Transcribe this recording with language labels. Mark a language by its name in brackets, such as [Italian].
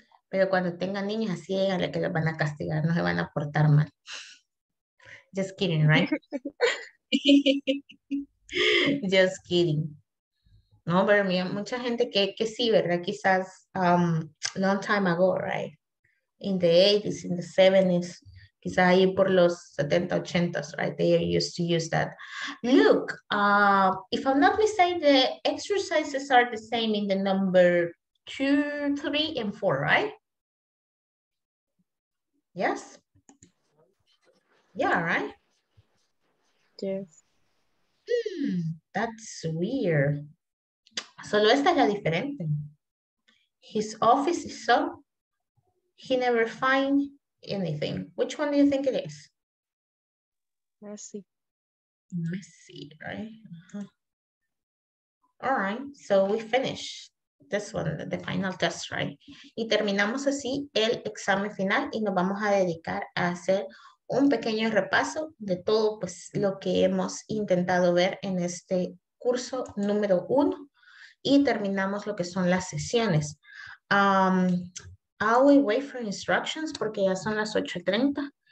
[Spanish] Pero cuando tengan niños, así es a la que los van a castigar, no se van a portar mal. [English] Just kidding, right? Just kidding. [Spanish] No, pero mira, mucha gente que sí, ¿verdad? [English] Quizás long time ago, right? In the 80s, in the 70s, [Spanish] quizás ahí por los 70, [English] 80s, right? They used to use that. Look, if I'm not mistaken, the exercises are the same in the number 2, 3, and 4, right? Yes? Yeah, right? Yes. That's weird. [Spanish] Solo esta es la diferente. [English] His office is so, he never find anything. Which one do you think it is? Let's see, right? Uh-huh. All right, so we finish this one, the final test, right? [Spanish] Y terminamos así el examen final y nos vamos a dedicar a hacer un pequeño repaso de todo pues, lo que hemos intentado ver en este curso número 1. Y terminamos lo que son las sesiones. [English] I will wait for instructions [Spanish] porque ya son las 8:30.